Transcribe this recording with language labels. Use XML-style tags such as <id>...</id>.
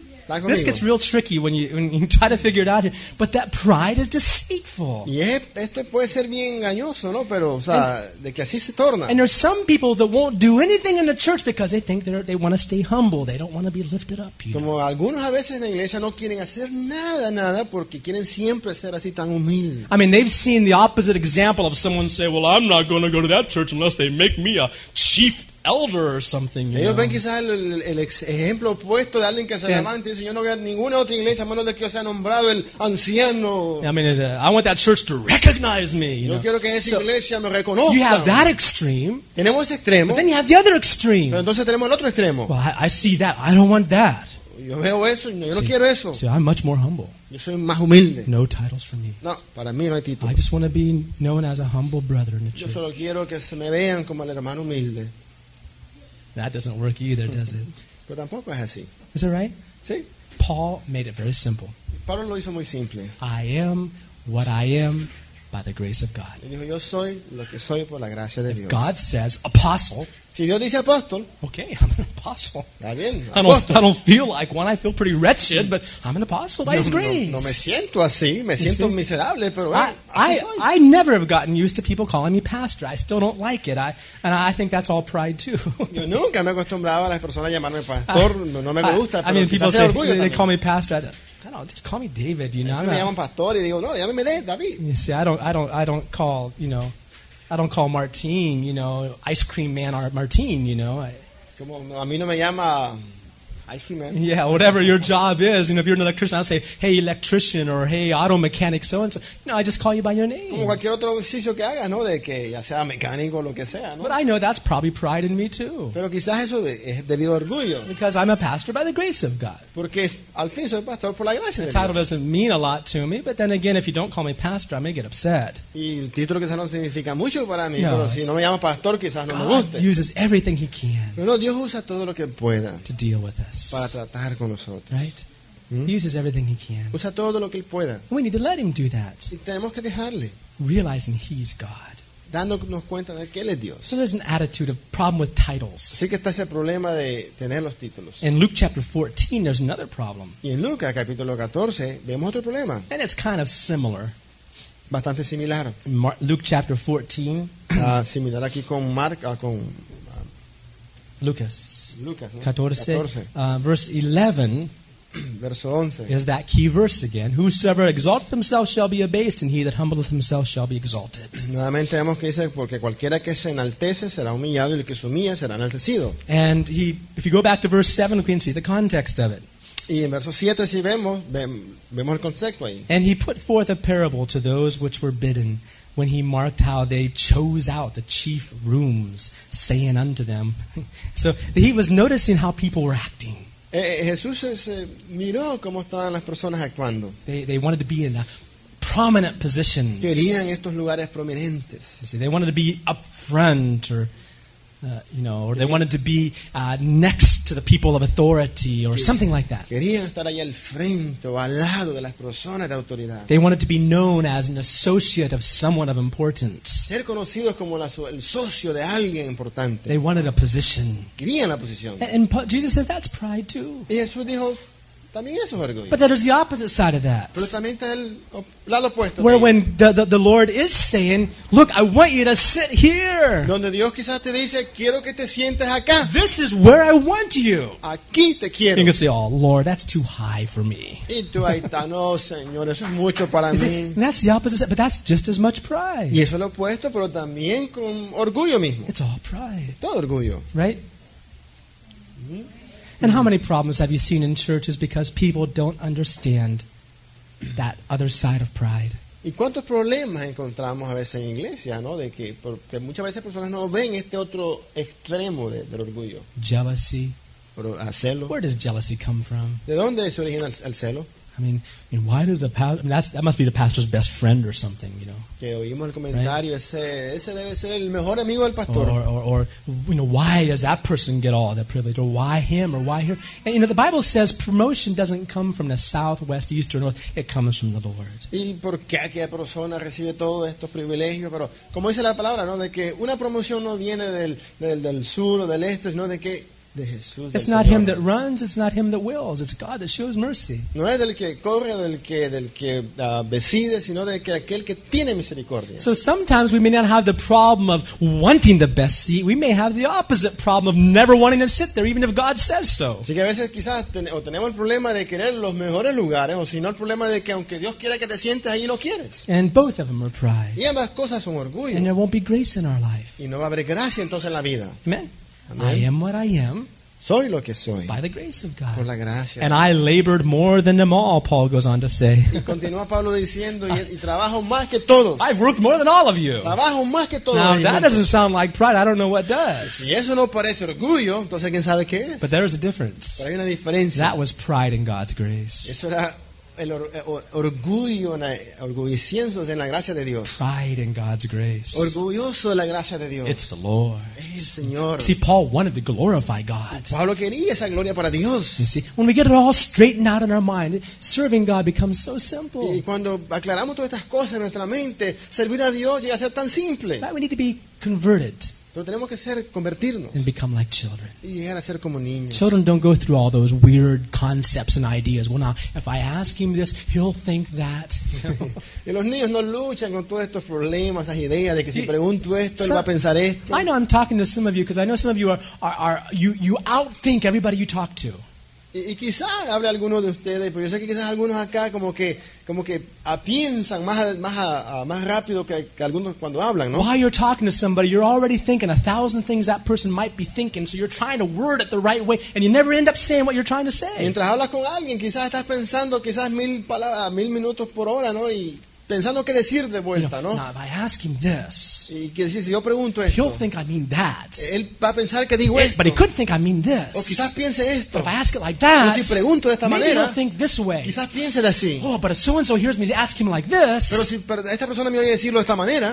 <en>This gets real tricky when you try to figure it out here. But that pride is deceitful.</en> <es>Esto puede ser bien engañoso, ¿no? Pero, o sea, de que así se torna.</es> <en>And there's some people that won't do anything in the church because they think they want to stay humble. They don't want to be lifted up.</en> <es>Como algunos a veces en la iglesia no quieren hacer nada porque quieren siempre ser así tan humilde.</es> <en>I mean, they've seen the opposite example of someone say, "Well, I'm not going to go to that church unless they make me a chief elder or something."</en> <es>Ellos ven quizás el ejemplo opuesto de alguien que se levanta y dice, yo no voy a ninguna otra iglesia a menos de que yo sea nombrado el anciano.</es> <en>I mean, I want that church to recognize me.</en> <es>Yo quiero que esa iglesia me reconozca.</es> <en>You have that extreme.</en> <es>Tenemos ese extremo.</es> <en>But then you have the other extreme.</en> <es>Pero entonces tenemos el otro extremo.</es> <en>Well, I see that. I don't want that.</en> <es>Yo veo eso y yo no quiero eso.</es> <en>See, I'm much more humble.</en> <es>Yo soy más humilde.</es> <en>No titles for me.</en> <es>No, para mí no hay títulos.</es> <en>I just want to be known as a humble brother in the church.</en> <es>Yo solo quiero que se me vean como el hermano humilde.</es> <en>That doesn't work either, does it?</en> <es>Pero tampoco es así.</es> <en>Is that right?</en> <es>Sí.</es> <en>Paul made it very simple.</en> <es>Pablo lo hizo muy simple.</es> <en>I am what I am by the grace of God.</en> <es>Él dijo, yo soy lo que soy por la gracia de Dios.</es> <en>If God says apostle.</en> <es>Si Dios dice apóstol.</es> <en>Okay, I'm an apostle.</en> <es>Está bien, apóstol.</es> <en>I don't feel like one. I feel pretty wretched, but I'm an apostle by His grace.</en> <es>No me siento así. Me siento miserable, pero</es> <en>I never have gotten used to people calling me pastor. I still don't like it. I think that's all pride too.</en> <es>Yo nunca me he acostumbrado a las personas llamarme pastor. No me gusta.</es> <en>I mean, people say they call me pastor. Just call me David. You know.</en> <es>Me llaman pastor y digo no, llámeme David.</es> <en>You see, I don't call. You know. I don't call Martine, you know, ice cream man or Martine, you know.</en> <es>Como a mí no me llama</es> <en>Yeah, whatever your job is. You know, if you're an electrician, I'll say, hey, electrician, or hey, auto mechanic, so-and-so. No, I just call you by your name.</en> <es>Como cualquier otro oficio que haga, ¿no? De que ya sea mecánico o lo que sea, ¿no?</es> <en>But I know that's probably pride in me, too.</en> <es>Pero quizás eso es debido a orgullo.</es> <en>Because I'm a pastor by the grace of God.</en> <es>Porque al fin soy pastor por la gracia de Dios.</es> <en>The title doesn't mean a lot to me, but then again, if you don't call me pastor, I may get upset.</en> <es>Y el título quizás no significa mucho para mí, no, pero si no me llama pastor, quizás no</es> <en>God</en> <es>me guste.</es> <en>God uses everything he can.</en> <es>Pero no, Dios usa todo lo que pueda.</es> <en>To deal with us.</en> <es>Para tratar con nosotros.</es> <en>Right? He uses everything he can.</en> <es>Usa todo lo que él pueda.</es> <en>We need to let him do that.</en> <es>Y tenemos que dejarle.</es> <en>Realizing he's God.</en> <es>Dándonos cuenta de que él es Dios.</es> <en>So there's an attitude of problem with titles.</en> <es>Sí que está ese problema de tener los títulos.</es> <en>In Luke chapter 14, there's another problem.</en> <es>Y en Lucas capítulo 14 vemos otro problema.</es> <en>And it's kind of similar.</en> <es>Bastante similar.</es> <en>Luke chapter 14.</en> <es>Similar aquí con Marcos con</es> <en>Lucas 14, verse 11 is that key verse again. Whosoever exalt himself shall be abased, and he that humbleth himself shall be exalted.</en> <es>Nuevamente vemos que dice, porque cualquiera que se enaltece será humillado, y el que se humilla será enaltecido.</es> <en>And he, if you go back to verse 7, we can see the context of it.</en> <es>Y en verso 7 si vemos el contexto ahí.</es> <en>And he put forth a parable to those which were bidden, when he marked how they chose out the chief rooms, saying unto them. So he was noticing how people were acting.</en> <es>Jesús se miró cómo estaban las personas actuando.</es> <en>They wanted to be in the prominent positions.</en> <es>Querían estos lugares prominentes.</es> <en>You see, they wanted to be up front, or you know, or they wanted to be next to the people of authority, or something like that.</en> <es>Querían estar ahí al frente o al lado de las personas de autoridad.</es> <en>They wanted to be known as an associate of someone of importance.</en> <es>Ser conocidos como el socio de alguien importante.</es> <en>They wanted a position.</en> <es>Querían la posición.</es> <en>And Jesus says that's pride too.</en> <es>Y Jesús dijo, también eso es orgullo.</es> <en>But there's the opposite side of that.</en> <es>Pero también está el lado opuesto.</es> <en>Where when the Lord is saying, look, I want you to sit here.</en> <es>Donde Dios quizás te dice, quiero que te sientes acá.</es> <en>This is where I want you.</en> <es>Aquí te quiero.</es> <en>You can say, oh Lord, that's too high for me.</en> <es>Y tú ahí está, no Señor, eso es mucho para mí.</es> <en>And that's the opposite side, but that's just as much pride.</en> <es>Y eso es lo opuesto, pero también con orgullo mismo.</es> <en>It's all pride.</en> <es>Todo orgullo.</es> <en>Right? And how many problems have you seen in churches because people don't understand that other side of pride?</en> <es>¿Y cuántos problemas encontramos a veces en iglesia, no? De que porque muchas veces personas no ven este otro extremo del orgullo.</es> <en>Jealousy.</en> <es>Pero, celo.</es> <en>Where does jealousy come from?</en> <es>¿De dónde se origina el celo?</es> <en>I mean, why does the pastor? I mean, that must be the pastor's best friend or something, you know.</en> <es>Que oímos el comentario,</es> <en>right?</en> <es>ese debe ser el mejor amigo del pastor.</es> <en>Or, you know, why does that person get all that privilege? Or why him? Or why her? And you know, the Bible says promotion doesn't come from the south, west, east, or north. It comes from the Lord.</en> <es>¿Y por qué aquella persona recibe todos estos privilegios? Pero como dice la palabra, ¿no? De que una promoción no viene del sur o del este, sino de que de Jesús,</es> <en>it's not</en> <es>Señor.</es> <en>Him that runs, it's not him that wills, it's God that shows mercy.</en> <es>No es del que corre, del que decide, sino de aquel que tiene misericordia.</es> <en>So sometimes we may not have the problem of wanting the best seat. We may have the opposite problem of never wanting to sit there, even if God says so.</en> <es>Así que a veces quizás tenemos el problema de querer los mejores lugares, o sino el problema de que aunque Dios quiera que te sientes ahí, no quieres.</es> <en>And both of them are pride.</en> <es>Y ambas cosas son orgullo.</es> <en>And there won't be grace in our life.</en> <es>Y no va a haber gracia entonces en la vida.</es> <en>Amen. I am what I am.</en> <es>Soy lo que soy.</es> <en>By the grace of God.</en> <es>Por la gracia.</es> <en>And I labored more than them all, Paul goes on to say.</en> <es>Y continúa Pablo diciendo, y trabajo más que todos.</es> <en>I've worked more than all of you.</en> <es>Trabajo más que todos.</es> <en>Now that doesn't sound like pride. I don't know what does.</en> <es>Y eso no parece orgullo, entonces quién sabe qué es.</es> <en>But there is a difference.</en> <es>Pero hay una diferencia.</es> <en>That was pride in God's grace.</en> <es>Eso era el orgullo, orgulloso en la gracia de Dios.</es> <en>Pride in God's grace.</en> <es>Orgulloso de la gracia de Dios.</es> <en>It's the Lord.</en> <es>El Señor.</es> <en>See, Paul wanted to glorify God.</en> <es>Pablo quería esa gloria para Dios.</es> <en>You see, when we get it all straightened out in our mind, serving God becomes so simple.</en> <es>Y cuando aclaramos todas estas cosas en nuestra mente, servir a Dios llega a ser tan simple.</es> <en>But we need to be converted.</en> <es>Pero tenemos que ser convertirnos.</es> <en>And become like children.</en> <es>Y llegar a ser como niños.</es> <en>Children don't go through all those weird concepts and ideas. Well, now, if I ask him this, he'll think that.</en> <es>Y los niños no luchan con todos estos problemas, esas ideas de que si pregunto esto, él va a pensar esto.</es> <en>I know I'm talking to some of you because I know some of you are you outthink everybody you talk to.</en> <es>Y quizás hable alguno de ustedes, pero yo sé que quizás algunos acá como que piensan más rápido que algunos cuando hablan, ¿no?</es> <en>While you're talking to somebody, you're already thinking a thousand things that person might be thinking, so you're trying to word it the right way, and you never end up saying what you're trying to say.</en> <es>Mientras hablas con alguien, quizás estás pensando quizás mil palabras, mil minutos por hora, ¿no? Y pensando qué decir de vuelta, ¿no?</es> <en>Now, if I ask him this,</en> <es>y que decir, si yo pregunto esto,</es> <en>he'll think I mean that.</en> <es>Él va a pensar que digo esto.</es> <en>But he could think I mean this.</en> <es>O quizás piense esto.</es> <en>But if I ask it like that,</en> <es>o si pregunto de esta</es> <en>maybe</en> <es>manera,</es> <en>he'll think this way.</en> <es>Quizás piense de así.</es> <en>Oh, but if so-and-so hears me ask him like this,</en> <es>pero si esta persona me oye decirlo de esta manera,</es>